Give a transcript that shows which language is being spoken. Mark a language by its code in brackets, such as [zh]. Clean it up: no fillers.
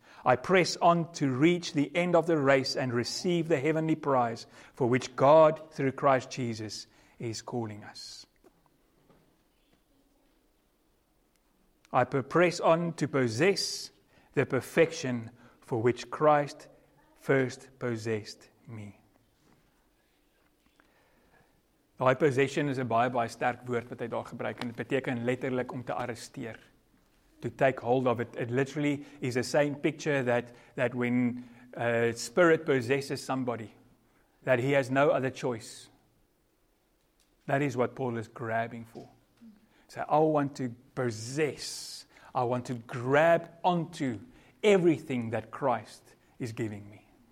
[en] I press on to reach the end of the race and receive the heavenly prize for which God, through Christ Jesus, is calling us. I press on to possess the perfection for which Christ first possessed me. [af] Daai possession is 'n baie, baie sterk woord wat hy daar gebruik en dit beteken letterlik om te arresteer. [en] To take hold of it. It literally is the same picture that when a spirit possesses somebody, that he has no other choice. That is what Paul is grabbing for. So I want to possess, I want to grab onto everything that Christ is giving me.